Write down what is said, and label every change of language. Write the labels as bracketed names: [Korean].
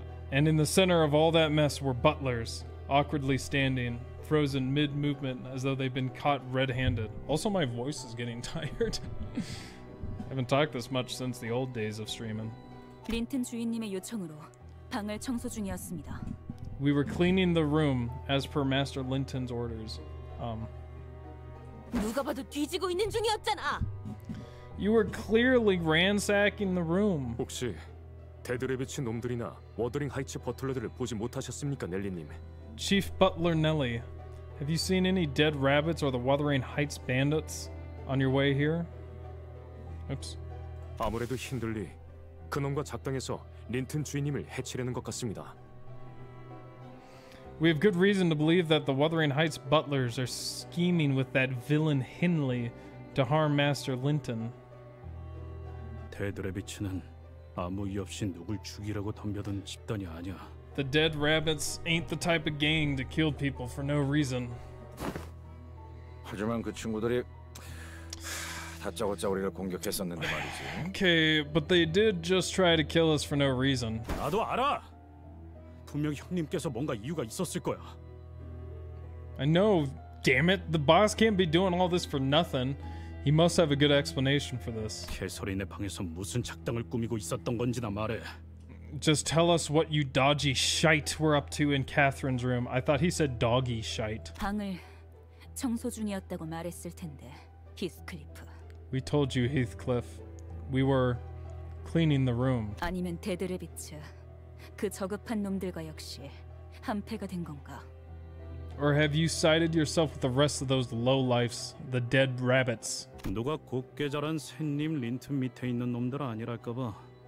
[English] And in the center of all that mess were butlers, awkwardly standing, frozen mid-movement as though they'd been caught red-handed. Also, my voice is getting tired. I haven't talked this much since the old days of streaming. [Korean] Linton 주인님의 요청으로 방을 청소 중이었습니다. [English] We were cleaning the room as per Master Linton's orders. [Korean] 누가 봐도 뒤지고 있는 중이었잖아. [English] You were clearly ransacking the room. [Korean] 혹시 데드레비치 놈들이나 워더링 하이츠 버틀러들을 보지 못하셨습니까, 넬리님? [English] Chief Butler Nelly, have you seen any dead rabbits or the Wuthering Heights bandits on your way here? Oops. [Korean] 아무래도 힌들리 그놈과 작당해서 린튼 주인님을 해치려는 것 같습니다. [English] We have good reason to believe that the Wuthering Heights butlers are scheming with that villain Hindley to harm Master Linton. [Korean] 데드레비치는 아무 이유 없이 누굴 죽이라고 덤벼든 집단이 아니야. [English] The dead rabbits ain't the type of gang to kill people for no reason. [Korean] 하지만 그 친구들이 다짜고짜 우리를 공격했었는데 말이지. [English] Okay, but they did just try to kill us for no reason. [Korean] 나도 알아. 분명 형님께서 뭔가 이유가 있었을 거야. [English] I know, damn it. The boss can't be doing all this for nothing. He must have a good explanation for this. [Korean] 개소리네 방에서 무슨 작당을 꾸미고 있었던 건지나 말해. [English] Just tell us what you dodgy shite were up to in Catherine's room. I thought he said doggy shite. [Korean] 방을 청소 중이었다고 말했을 텐데, Heathcliff. [English] We told you, Heathcliff. We were cleaning the room. [Korean] 아니면 데드레비츠, 그 저급한 놈들과 역시 한패가 된 건가? [English] Or have you sided yourself with the rest of those lowlifes, the dead rabbits? [Korean] 누가 곱게 자란 샌님 린트 밑에 있는 놈들 아니랄까봐.